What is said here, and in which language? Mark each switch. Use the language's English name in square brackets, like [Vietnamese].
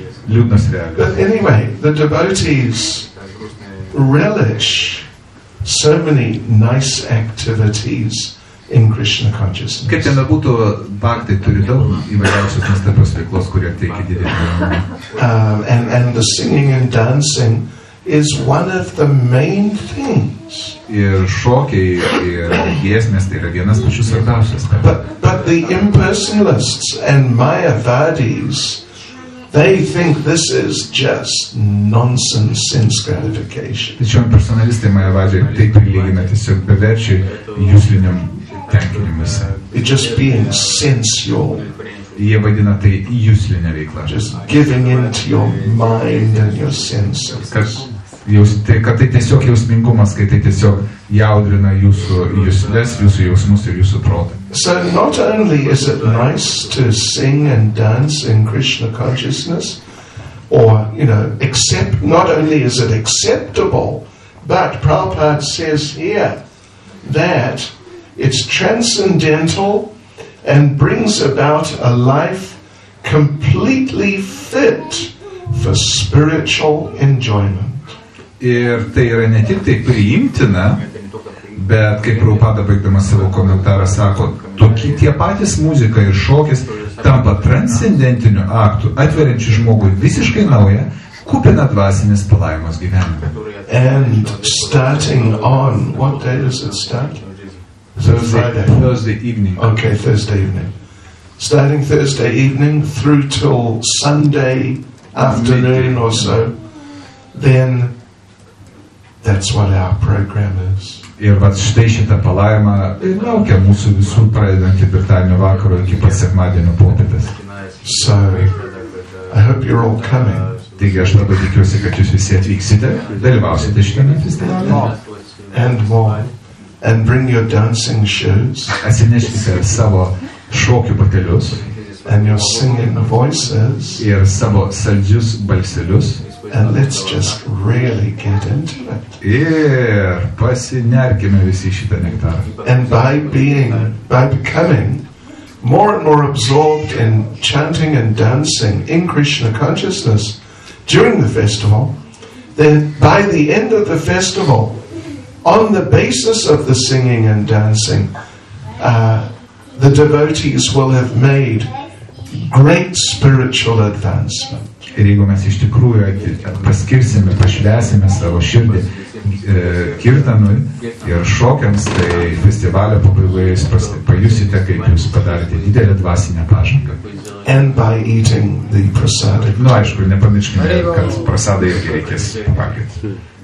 [Lithuanian] Liūdnas reakas. [English] Anyway, the devotees relish so many nice activities in Krishna consciousness. [Lithuanian] Kaip ten būtų, bhaktai turi daug įvairiausios nuostabios veiklos, kurie teikia didelį. [English] And the singing and dancing is one of the main things. [Lithuanian] Ir šokiai ir giesmės tai yra vienas pačių svarbiausias. [English] But the impersonalists and mayavadis, they think this is just nonsense sense gratification. [Lithuanian] Tačiau impersonalistai mayavadžiai tai prilygina tiesiog beverčiai jūsliniam. [English] It just being sensual. [Lithuanian] Jie vadina tai jūslinė veikla. [English] Just giving in to your mind and your senses. [Lithuanian] Kad tai tiesiog jausmingumas, kai tai tiesiog jaudrina jūsų jūsles, jūsų jausmus ir jūsų protą. [English] So not only is it nice to sing and dance in Krishna consciousness, or, you know, accept, not only is it acceptable, but Prabhupada says here that it's transcendental and brings about a life completely fit for spiritual enjoyment. [Lithuanian] Ir tai yra ne tik tai priimtina, bet kaip Prabhupada baigdamas savo komentarą sako, tokį tie patys muzika ir šokis tampa transcendentiniu aktu, atveriančiu žmogui visiškai naują, kupina dvasinės palaimos gyvenimą. [English] And starting on, what day does it start? Thursday evening. Okay, Thursday evening. Starting Thursday evening through till Sunday afternoon or so, then that's what our program is. [Lithuanian] Ir vat štai šitą palaimą laukia mūsų visų pradedant ketvirtadienio vakaro iki pat sekmadienio popietės. [English] So, I hope you're all coming. [Lithuanian] Taigi aš labai tikiuosi, kad jūs visi atvyksite, dalyvausite šitame festivalyje. [English] And more. And bring your dancing shoes. [Lithuanian] Atsineškite savo šokių batelius. [English] And your singing voices. [Lithuanian] Ir savo saldžius balselius. [English] And let's just really get into it. [Lithuanian] Ir pasinerkime visi šitą nektarą. [English] And by becoming more and more absorbed in chanting and dancing in Krishna consciousness during the festival, then by the end of the festival, on the basis of the singing and dancing, the devotees will have made great spiritual advancement. [Lithuanian] Ir jeigu mes iš tikrųjų paskirsime, pašvesime savo širdį kirtanui ir šokiams, tai festivalio pabaigoje jūs pajusite, kaip jūs padarėte didelę dvasinę pažangą. [English] And by eating the prasada. [Lithuanian] Nu, aišku, nepamirškime, kad prasada irgi reikės pavalgyti.